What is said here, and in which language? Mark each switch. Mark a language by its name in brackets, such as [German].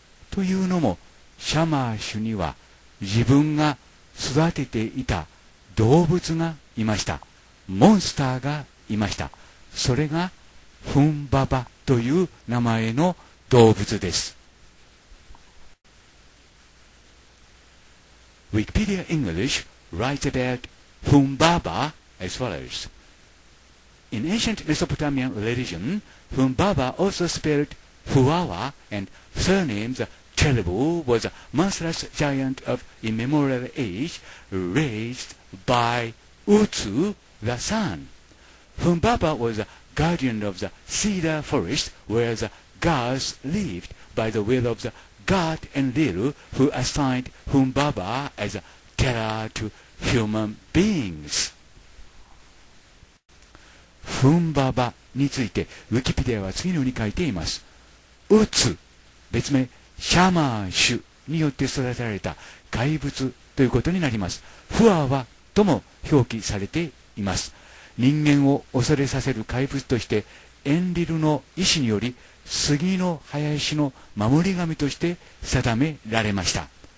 [Japanese] というのも、シャマー氏には自分が育てていた動物がいました。モンスターがいました。それがフンババという名前の動物です。 [English] Wikipedia English writes about Humbaba as follows. In ancient Mesopotamian religion, Humbaba, also spelled Huawa and surnamed the Terrible, was a monstrous giant of immemorial age raised by Utsu, the sun. Humbaba was a guardian of the cedar forest where the gods lived by the will of the God Enlilu, who assigned Humbaba as a terror to human beings. [Japanese] Humbaba について、ウィキペディアは次のように書いています。ウツ、別名シャマー種によって育てられた怪物ということになります。フアワとも表記されています。人間を恐れさせる怪物として、エンリルの意志により、杉の林の守り神として定められました。